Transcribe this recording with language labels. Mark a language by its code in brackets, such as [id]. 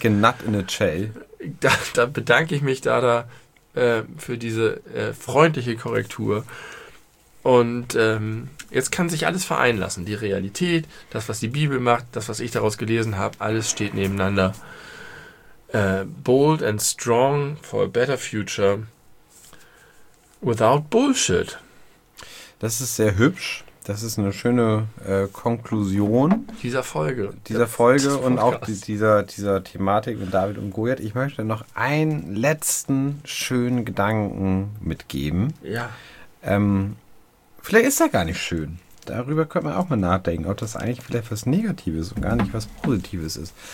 [de] genatt in eine Chell. Da bedanke ich mich da für diese freundliche Korrektur. Und jetzt kann sich alles vereinen lassen. Die Realität, das, was die Bibel macht, das, was ich daraus gelesen habe, alles steht nebeneinander. [en] Bold and strong for a better future without bullshit. [de] Das ist sehr hübsch. Das ist eine schöne Konklusion. Dieser Folge. Dieser Folge und auch dieser Thematik mit David und Goliath. Ich möchte noch einen letzten schönen Gedanken mitgeben. Ja. Vielleicht ist er gar nicht schön. Darüber könnte man auch mal nachdenken, ob das eigentlich vielleicht was Negatives und gar nicht was Positives ist.